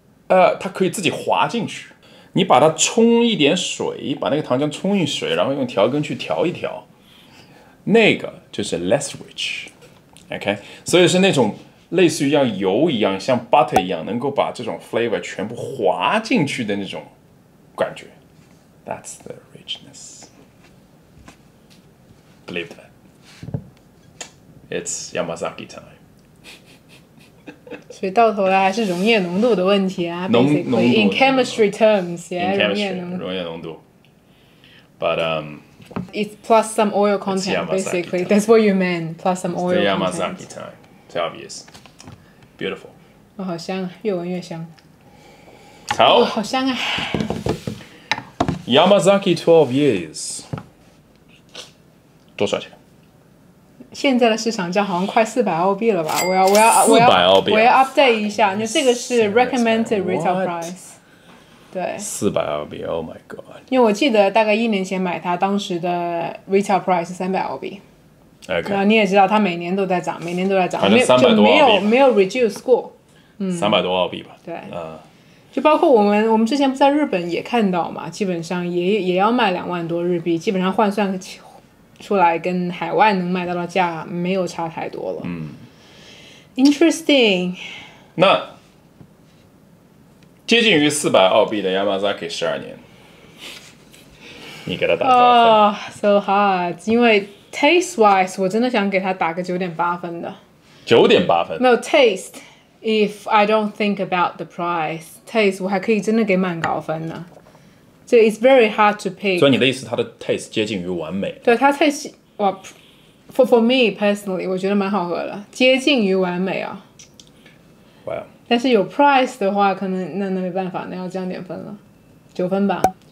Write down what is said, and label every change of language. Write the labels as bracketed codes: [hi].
[zh] 它可以自己滑进去，你把它冲一点水，把那个糖浆冲一水，然后用调羹去调一调，那个就是 [en] less rich， [zh] OK， 所以是那种类似于像油一样，像 butter 一样，能够把这种 flavor 全部滑进去的那种感觉。 [en] That's the richness. Believe that. It's Yamazaki time. [zh] 所以到头来还是溶液浓度的问题啊。浓度 [en] in chemistry terms, yeah, [zh] 溶液浓度。But [en] it's plus some oil content, basically. That's what you meant. Plus some oil content. It's Yamazaki time. It's obvious. Beautiful. [zh] 哦，好香啊！越闻越香。好。哦，好香啊！ Yamazaki 12 years 多少钱？现在的市场价好像快400澳币了吧？我要 update 一下，那这个是 recommended retail price。对， 400澳币 ， [en] Oh my god！ [zh] 因为我记得大概一年前买它，当时的 retail price 300澳币。 [en] Okay. [zh] 那你也知道，它每年都在涨，每年都在涨，反正300多澳币没有 reduce 过。 300多澳币吧。对。就包括我们之前不在日本也看到嘛，基本上也要卖20000多日币，基本上换算出来跟海外能卖到的价没有差太多了。嗯 [en] ，interesting。 [zh] 那接近于400澳币的 Yamazaki 12年，你给他打多少分？哦、oh, ， [en] so hard， [zh] 因为 [en] taste wise [zh] 我真的想给他打个9.8分的。 9.8分？没有 taste。 [en] If I don't think about the price, taste, [zh] 我还可以真的给蛮高分的。 [en] So it's very hard to pick. [zh] 所以你的意思，它的 taste 接近于完美。对，它 taste, 哇 [en] for me personally, [zh] 我觉得蛮好喝的，接近于完美啊。 [en] Wow. [zh] 但是有 price 的话，可能那没办法，那要降点分了，九分吧。